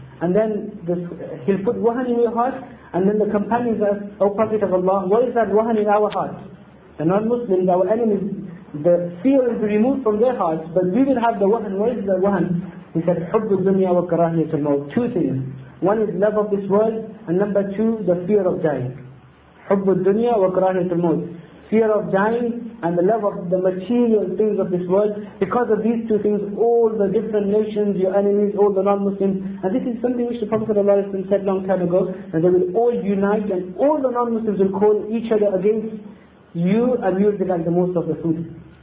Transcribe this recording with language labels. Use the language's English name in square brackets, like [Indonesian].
[English] And then he'll put wahan in your heart, and then the companions ask, O Prophet of Allah, what is that wahan in our hearts? The non-Muslims, our enemies, the fear will be removed from their hearts, but we will have the wahan. What is the wahan? [Arabic] He said, حُبُّ الدُّنْيَا وَكَرَاهِيَةُ الْمَوْتِ. [English] Two things. One is love of this world, and number two, the fear of dying. [Arabic] حُبُّ الدُّنْيَا وَكَرَاهِيَةُ الْمَوْتِ. [English] Fear of dying and the love of the material things of this world. Because of these two things, all the different nations, your enemies, all the non-Muslims, and this is something which the Prophet ﷺ said long time ago, that they will all unite and all the non-Muslims will call each other against you, and you will be like the most of the food.